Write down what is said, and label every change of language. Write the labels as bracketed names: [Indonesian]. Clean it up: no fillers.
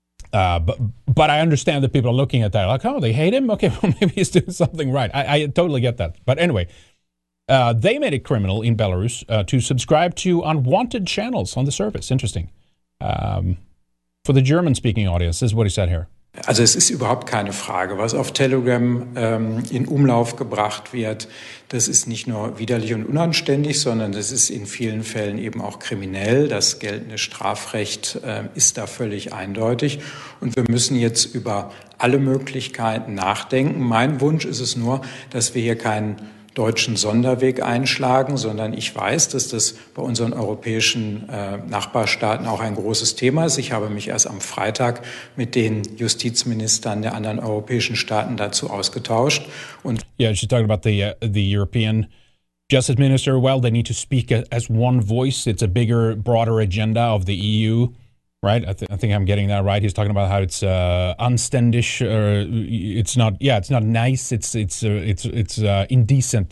[English] But I understand that people are looking at that like, oh, they hate him. Okay, well, maybe he's doing something right. I totally get that. But anyway, they made it criminal in Belarus to subscribe to unwanted channels on the service. Interesting. For the German speaking audience, this is what he said here. [German] Also es ist überhaupt keine Frage, was auf Telegram in Umlauf gebracht wird, das ist nicht nur widerlich und unanständig, sondern das ist in vielen Fällen eben auch kriminell. Das geltende Strafrecht ist da völlig eindeutig und wir müssen jetzt über alle Möglichkeiten nachdenken. Mein Wunsch ist es nur, dass wir hier keinen deutschen Sonderweg einschlagen, sondern ich weiß, dass das bei unseren europäischen Nachbarstaaten auch ein großes Thema ist. Ich habe mich erst am Freitag mit den Justizministern der anderen europäischen Staaten dazu ausgetauscht. Und [English] yeah, she's talking about the European Justice Minister. Well, they need to speak as one voice. It's a bigger, broader agenda of the EU, right? I think I'm getting that right. He's talking about how it's unständig, or it's not, yeah, it's not nice, it's indecent.